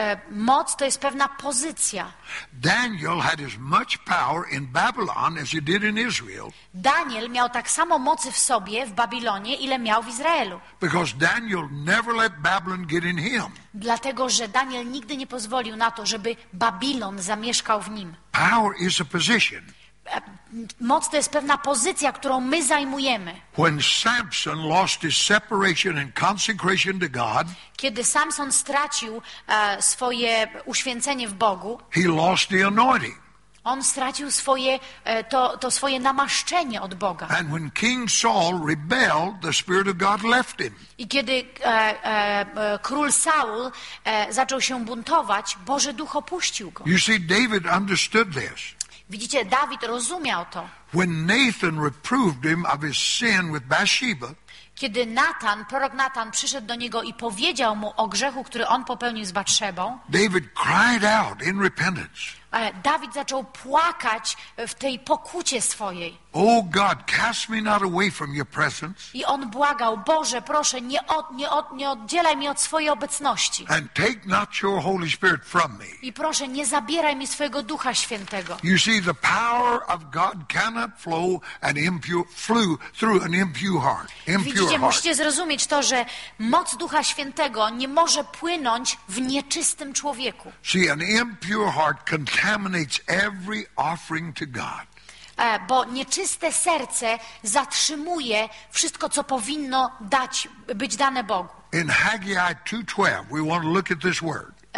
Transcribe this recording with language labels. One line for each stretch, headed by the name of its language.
Polish: Moc to jest pewna pozycja.
English: Daniel had as much power in Babylon as he did in Israel.
Polish: Daniel miał tak samo mocy w sobie w Babilonie, ile miał w Izraelu.
English: Because Daniel never let Babylon get in him.
Polish: Dlatego, że Daniel nigdy nie pozwolił na to, żeby Babilon zamieszkał w nim.
English: Power is a position.
Polish: Moc to jest pewna pozycja, którą my zajmujemy.
English: When Samson lost his separation and consecration to God,
Polish: kiedy Samson stracił swoje uświęcenie w Bogu,
English: he lost the anointing.
Polish: On stracił swoje namaszczenie od Boga.
English: And when King Saul rebelled, the Spirit of God left him.
Polish: I kiedy król Saul zaczął się buntować, Boży Duch opuścił go.
English: You see, David understood this.
Polish: Widzicie, Dawid rozumiał to.
English: When Nathan reproved him of his sin with Bathsheba,
Polish: kiedy Natan, prorok Natan przyszedł do niego i powiedział mu o grzechu, który on popełnił z Batszebą,
English: David cried out in repentance.
Polish: Dawid zaczął płakać w tej pokucie swojej.
English: O God, cast me not away from your presence.
Polish: I on błagał: Boże, proszę, nie oddzielaj mnie od swojej obecności.
English: And take not your Holy Spirit from me.
Polish: I proszę, nie zabieraj mi swojego Ducha Świętego.
English: You see, the power of God cannot flow an impure flow through an impure heart.
Polish: Widzicie, musicie zrozumieć to, że moc Ducha Świętego nie może płynąć w nieczystym człowieku.
English: See, an impure heart contaminates every offering to God.
Polish: Bo nieczyste serce zatrzymuje wszystko, co powinno być dane Bogu.
English: In Haggai 2:12, we want to look at this word.